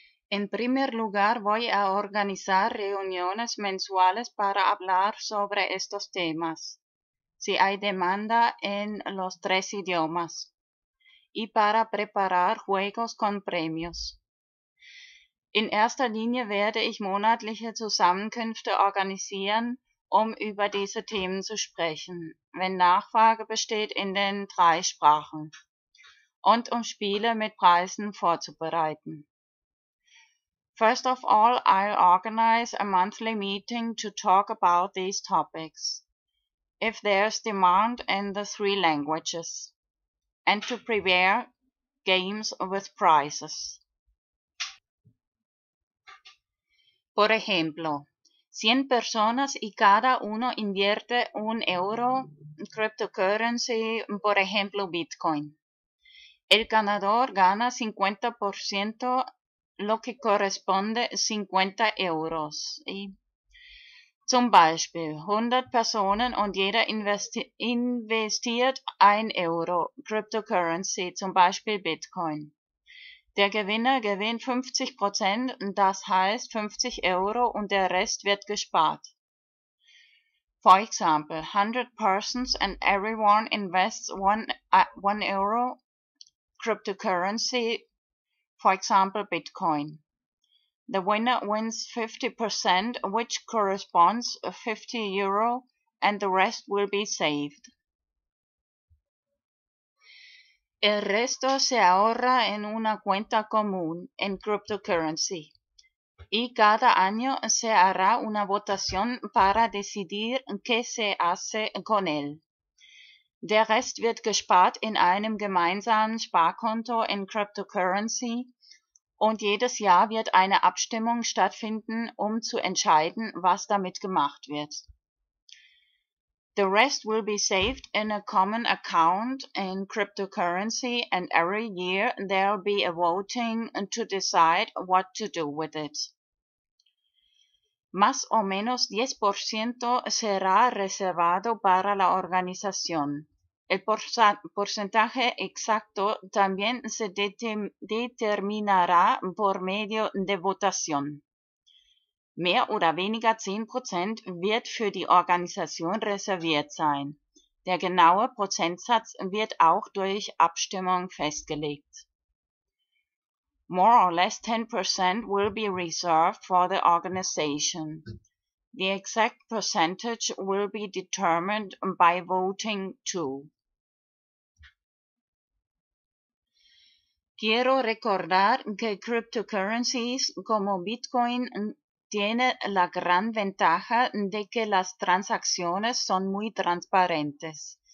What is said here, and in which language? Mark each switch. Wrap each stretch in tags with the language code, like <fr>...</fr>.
<es>En primer lugar, voy a organizar reuniones mensuales para hablar sobre estos temas, si hay demanda en los tres idiomas, y para preparar juegos con premios.</es> <de>In erster Linie werde ich monatliche Zusammenkünfte organisieren, um über diese Themen zu sprechen, wenn Nachfrage besteht in den drei Sprachen, und um Spiele mit Preisen vorzubereiten.</de> <en>First of all, I'll organize a monthly meeting to talk about these topics, if there's demand in the three languages, and to prepare games with prizes.</en> <es>Por ejemplo, 100 personas y cada uno invierte un euro en cryptocurrency, por ejemplo Bitcoin. El ganador gana 50%, lo que corresponde 50 euros.</es> <de>Y zum Beispiel 100 personen und jeder investiert 1 euro cryptocurrency, zum Beispiel Bitcoin. Der Gewinner gewinnt 50%, das heißt 50 Euro, und der Rest wird gespart.</de> <en>For example, 100 persons and everyone invests 1 euro cryptocurrency, for example Bitcoin. The winner wins 50%, which corresponds to 50 euro, and the rest will be saved.</en> <es>El resto se ahorra en una cuenta común, en cryptocurrency. Y cada año se hará una votación para decidir qué se hace con él.</es> <de>Der Rest wird gespart in einem gemeinsamen Sparkonto in cryptocurrency. Und jedes Jahr wird eine Abstimmung stattfinden, um zu entscheiden, was damit gemacht wird.</de> <en>The rest will be saved in a common account in cryptocurrency, and every year there'll be a voting to decide what to do with it.</en> <es>Más o menos 10% será reservado para la organización. El porcentaje exacto también se determinará por medio de votación.</es> <de>Mehr oder weniger 10% wird für die Organisation reserviert sein. Der genaue Prozentsatz wird auch durch Abstimmung festgelegt.</de> <en>More or less 10% will be reserved for the organization. The exact percentage will be determined by voting too.</en> <es>Quiero recordar que cryptocurrencies como Bitcoin tiene la gran ventaja de que las transacciones son muy transparentes.</es>